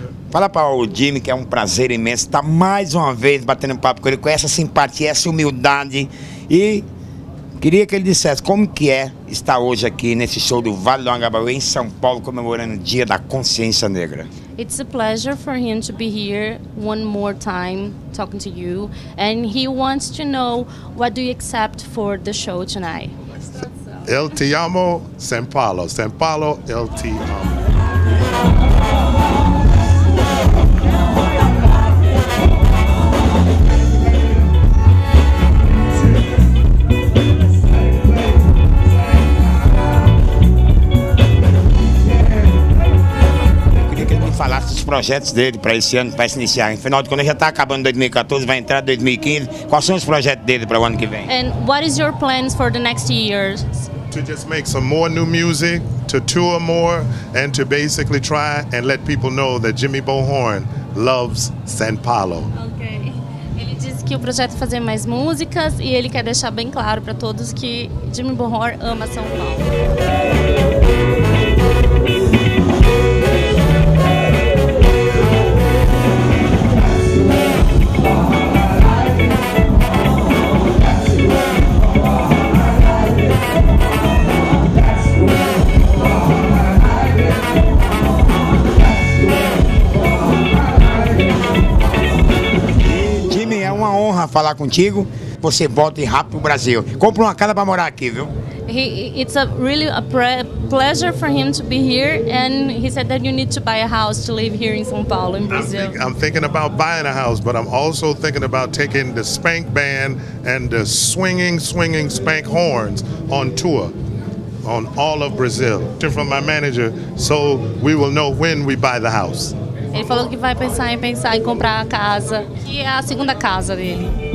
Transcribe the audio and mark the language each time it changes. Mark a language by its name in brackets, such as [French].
[Portuguese] Fala para o Jimmy, que é um prazer imenso estar mais uma vez batendo papo com ele, com essa simpatia, essa humildade. E queria que ele dissesse como que é estar hoje aqui nesse show do Vale do Anhangabaú em São Paulo, comemorando o Dia da Consciência Negra. [English] It's a pleasure for him to be here one more time talking to you. And he wants to know what do you accept for the show tonight. [Portuguese] Eu te amo, São Paulo. São Paulo, eu te amo. Projetos dele para esse ano, para se iniciar. Afinal de contas, já está acabando 2014, vai entrar 2015. Quais são os projetos dele para o ano que vem? [English] And what is your plans for the next year? To just make some more new music, to tour more, and to basically try and let people know that Jimmy Bohorn loves São Paulo. Okay. [Portuguese] Ele disse que o projeto é fazer mais músicas e ele quer deixar bem claro para todos que Jimmy Bohorn ama São Paulo. Falar contigo, você volta rápido para o Brasil. Compre uma casa para morar aqui, viu? [English] It's a pleasure for him to be here, and he said that you need to buy a house to live here in São Paulo, in Brazil. I'm thinking about buying a house, but I'm also thinking about taking the spank band and the swinging spank horns on tour on all of Brazil. From my manager, so we will know when we buy the house. [Portuguese] Ele falou que vai pensar em comprar a casa, que é a segunda casa dele.